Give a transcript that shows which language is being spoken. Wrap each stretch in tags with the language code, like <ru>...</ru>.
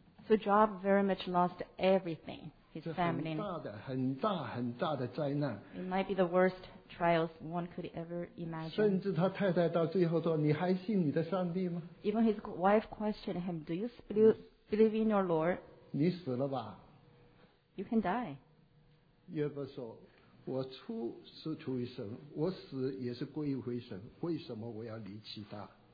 <en>So Job very much lost everything, his family.</en> <zh>很大的、很大、很大的灾难。</zh> <en>It might be the worst trials one could ever imagine.</en> <zh>甚至他太太到最后说：“你还信你的上帝吗？”</zh> <en>Even his wife questioned him, "Do you believe in your Lord?"</en> <zh>你死了吧。</zh> <en>You can die.</en> <zh>约伯说。我出是出于神，我死也是归回神，为什么我要离弃他？</zh>